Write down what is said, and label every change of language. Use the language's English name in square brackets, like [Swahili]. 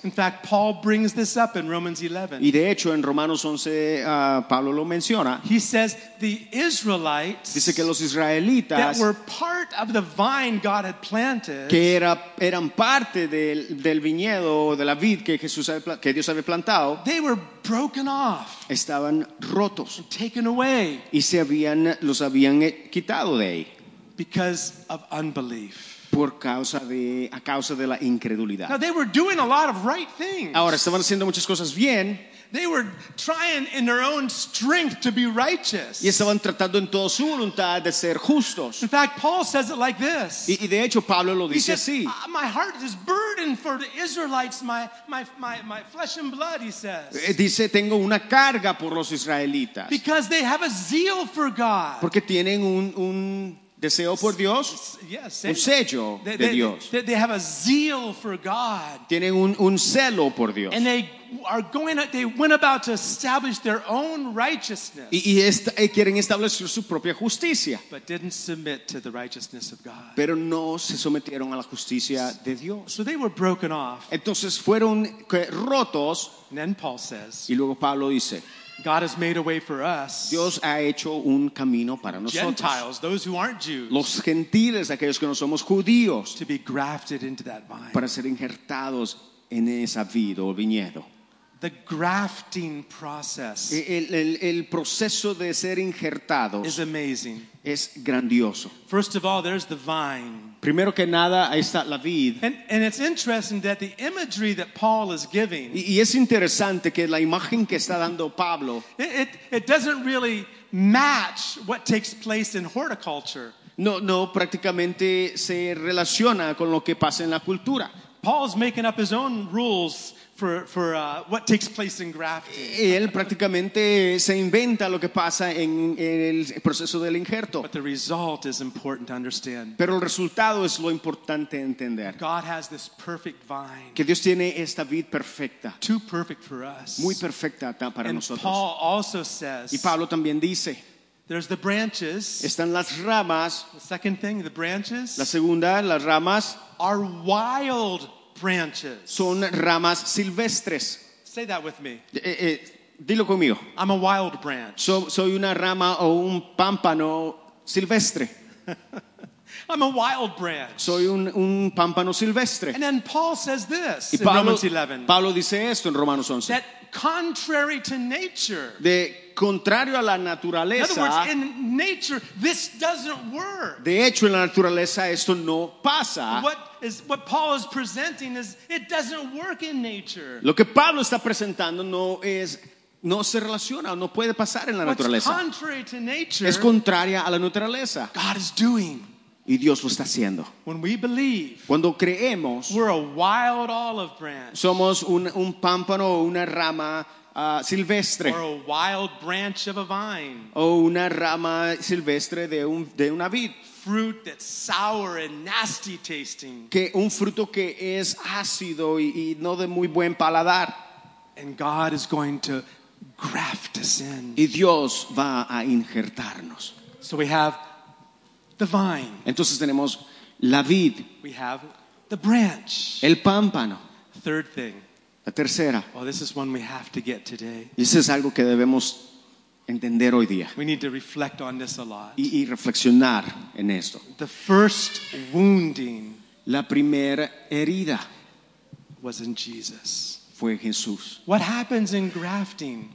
[English] In fact, Paul brings this up in Romans 11. [Spanish] Y de hecho en Romanos 11 Pablo lo menciona. [English] He says the Israelites. [Spanish] Dice que los israelitas. [English] That were part of the vine God had planted. [Spanish] Que eran parte del viñedo o de la vid que Jesús había, que Dios había plantado. [English] They were broken off. [Spanish] Estaban rotos. [English] And taken away. [Spanish] Y los habían quitado de ahí. [English] Because of unbelief. [Spanish] Por causa de la incredulidad. [English] Now they were doing a lot of right things. [Spanish] Ahora estaban haciendo muchas cosas bien. [English] They were trying in their own strength to be righteous. [Spanish] Y estaban tratando en toda su voluntad de ser justos. [English] In fact, Paul says it like this. [Spanish] Y de hecho Pablo lo dice [English] he says, [Spanish] así. [English] My heart is burdened for the Israelites, my flesh and blood, he says. [Spanish] Dice, tengo una carga por los israelitas. [English] Because they have a zeal for God. [Spanish] Porque tienen un deseo por Dios, un sello de Dios. [English] They have a zeal for God. [Spanish] Tienen un celo por Dios. [English] And they went about to establish their own righteousness. [Spanish] Y quieren establecer su propia justicia. [English] But didn't submit to the righteousness of God. [Spanish] Pero no se sometieron a la justicia de Dios. [English] So they were broken off. [Spanish] Entonces fueron rotos. [English] And then Paul says. [Spanish] Y luego Pablo dice. [English] God has made a way for us. [Spanish] Dios ha hecho un camino para nosotros. [English] Gentiles, those who aren't Jews. [Spanish] Los gentiles, aquellos que no somos judíos. [English] To be grafted into that vine. [Spanish] Para ser injertados en esa vid o viñedo. [English] The grafting process. [Spanish] El proceso de ser injertados [English] is amazing. [Spanish] Es grandioso. [English] First of all, there's the vine. [Spanish] Primero que nada, ahí está la vid. [English] And it's interesting that the imagery that Paul is giving. [Spanish] Y es interesante que la imagen que está dando Pablo. [English] It doesn't really match what takes place in horticulture. [Spanish] No, prácticamente se relaciona con lo que pasa en la cultura. [English] Paul's making up his own rules for what takes place in grafting. [Spanish] Él prácticamente se inventa lo que pasa en el proceso del injerto. [English] But the result is important to understand. [Spanish] Pero el resultado es lo importante entender. [English] God has this perfect vine. [Spanish] Que Dios tiene esta vid perfecta. [English] Too perfect for us. [Spanish] Muy perfecta para nosotros. [English] And Paul also says. [Spanish] Y Pablo también dice. [English] There's the branches. [Spanish] Están las ramas. [English] The second thing, the branches. [Spanish] La segunda, las ramas. [English] Are wild branches. [Spanish] Son ramas silvestres. [English] Say that with me. [Spanish] Dilo conmigo. [English] I'm a wild branch. [Spanish] Soy una rama o un pámpano silvestre. [English] I'm a wild branch. [Spanish] Soy un pámpano silvestre. [English] And then Paul says this [Spanish] y Pablo, [English] in Romans 11. [Spanish] Pablo dice esto en Romanos 11. [English] That contrary to nature. [Spanish] De contrario a la naturaleza. [English] In other words, in nature, this doesn't work. [Spanish] De hecho, en la naturaleza esto no pasa. [English] What Paul is presenting is it doesn't work in nature. [Spanish] Lo que Pablo está presentando no se relaciona, no puede pasar en la naturaleza. [English] What's contrary to nature? [Spanish] Es contraria a la naturaleza. [English] God is doing. [Spanish] Y Dios lo está haciendo. [English] When we believe, [Spanish] cuando creemos, [English] we're a wild olive branch. [Spanish] Somos un pámpano o una rama silvestre. [English] Or a wild branch of a vine. [Spanish] O una rama silvestre de una vid. [English] Fruit that's sour and nasty tasting. [Spanish] Que un fruto que es ácido y no de muy buen paladar. [English] And God is going to graft us in. [Spanish] Y Dios va a injertarnos. [English] So we have the vine. [Spanish] Entonces tenemos la vid. [English] We have the branch. [Spanish] El pámpano. [English] Third thing. [Spanish] La tercera. [English] Well, this is one we have to get today. [Spanish] Y eso es algo que debemos entender hoy día. [English] We need to reflect on this a lot. [Spanish] Y reflexionar en esto. [English] The first wounding. [Spanish] La primera herida. [English] Was in Jesus. [Spanish] Fue Jesús. [English] What happens in grafting?